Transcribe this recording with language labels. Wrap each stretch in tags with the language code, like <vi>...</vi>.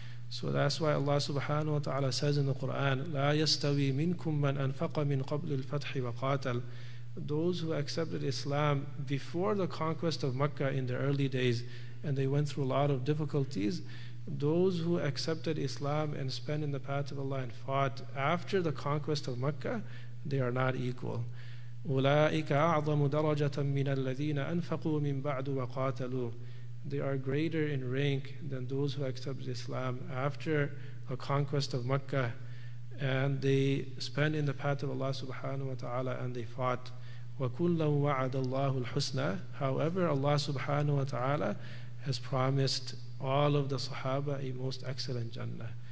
<en>So that's why Allah subhanahu wa ta'ala says in the Quran,</en> <ar>لا يستوي منكم من أنفق من قبل الفتح وقاتل.</ar> <en>Those who accepted Islam before the conquest of Mecca in the early days, and they went through a lot of difficulties, those who accepted Islam and spent in the path of Allah and fought after the conquest of Mecca, they are not equal.</en> <ar>أولئك أعظم درجة من الذين أنفقوا من بعد وقاتلوا.</ar> <en>They are greater in rank than those who accepted Islam after the conquest of Mecca, and they spent in the path of Allah subhanahu wa ta'ala and they fought.</en> <ar>وَكُلَّا وَعَدَ اللَّهُ الْحُسْنَى.</ar> <en>However, Allah subhanahu wa ta'ala has promised all of the Sahaba a most excellent Jannah.</en>